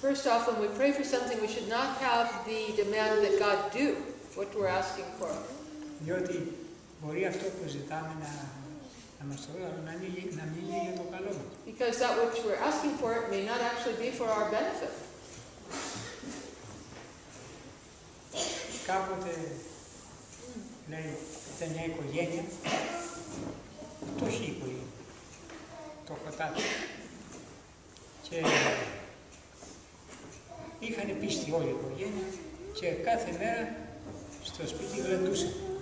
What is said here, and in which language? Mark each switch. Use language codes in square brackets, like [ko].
[en] First off, when we pray for something, we should not have the demand that God do what we're asking for. [el] Διότι μπορεί αυτό που ζητάμε να μην είναι για το καλό. [en] Because that which we're asking for may not actually be for our benefit. [el] Κάποτε, λέει, ήταν μια οικογένεια, φτωχή πολύ, το χωτάτι. Και είχαν πίστη όλη η οικογένεια και κάθε μέρα στο σπίτι γλεντούσαν.